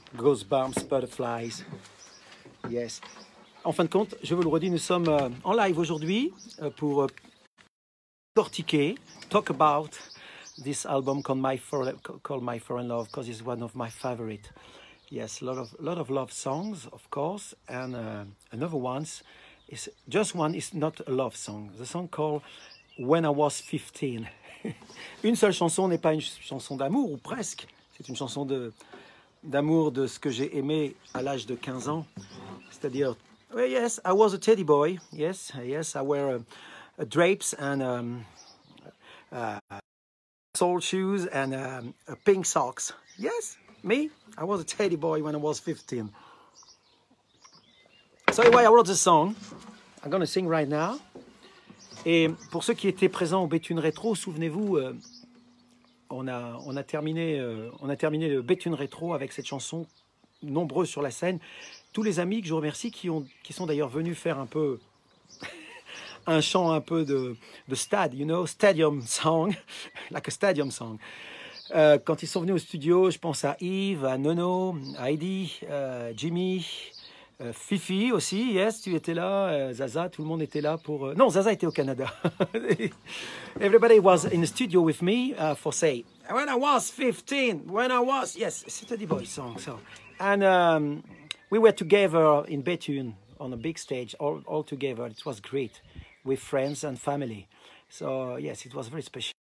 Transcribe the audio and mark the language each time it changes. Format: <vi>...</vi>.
<en>Goosebumps, butterflies. Yes.</en> <fr>En fin de compte, je vous le redis, nous sommes en live aujourd'hui pour portiquer,</fr> <en>talk about this album called My Foreign Love, because it's one of my favorite. Yes, a lot of love songs, of course, and another ones. It's just one, it's not a love song. The song called When I Was 15.</en> <fr>Une seule chanson n'est pas une chanson d'amour, ou presque. C'est une chanson d'amour de ce que j'ai aimé à l'âge de 15 ans. C'est-à-dire,</fr> <en>well, yes, I was a teddy boy. Yes, yes, I wear a drapes and soul shoes and pink socks. Yes, me, I was a teddy boy when I was 15. So anyway, I wrote this song. I'm going to sing right now.</en> <fr>Et pour ceux qui étaient présents au Béthune Rétro, souvenez-vous, on a terminé le Béthune Rétro avec cette chanson, nombreux sur la scène. Tous les amis que je remercie qui sont d'ailleurs venus faire un peu un chant un peu de stade,</fr> <en>you know, stadium song,</en> <fr>like a stadium song. Quand ils sont venus au studio, je pense à Yves, à Nono, à Heidi, Jimmy... Fifi aussi, yes, tu étais là, Zaza, tout le monde était là pour... Non, Zaza était au Canada.</fr> <en>Everybody was in the studio with me for say, when I was 15, when I was... Yes, it's a teddy boy song, so... And we were together in Béthune on a big stage, all together. It was great, with friends and family. So, yes, it was very special.</en>